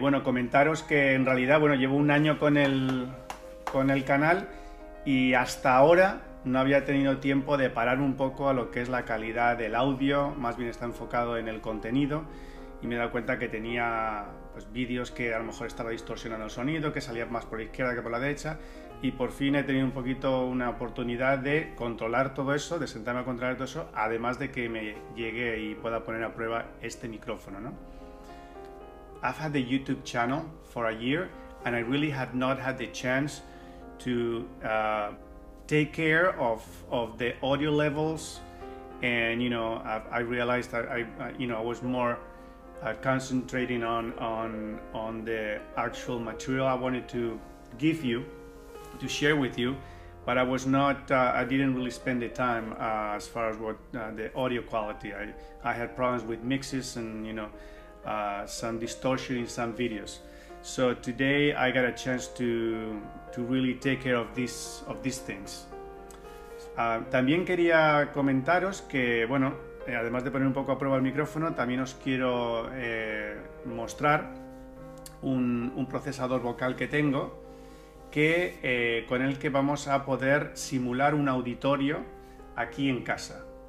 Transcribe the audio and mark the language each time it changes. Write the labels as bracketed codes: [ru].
[es] Bueno, comentaros que en realidad, bueno, llevo un año con el canal y hasta ahora no había tenido tiempo de parar un poco a lo que es la calidad del audio, más bien está enfocado en el contenido, y me he dado cuenta que tenía pues vídeos que a lo mejor estaba distorsionando el sonido, que salía más por la izquierda que por la derecha, y por fin he tenido un poquito una oportunidad de controlar todo eso, de sentarme a controlar todo eso, además de que me llegue y pueda poner a prueba este micrófono, ¿no? [en] I've had the YouTube channel for a year and I really had not had the chance to take care of the audio levels, and you know, I realized that I was more concentrating on the actual material I wanted to give you, to share with you, but I was not, I didn't really spend the time as far as what the audio quality. I had problems with mixes and, you know, some distortion in some videos. So today I got a chance to really take care of these things. [es] También quería comentaros que, bueno, además de poner un poco a prueba el micrófono, también os quiero mostrar un procesador vocal que tengo, con el que vamos a poder simular un auditorio aquí en casa.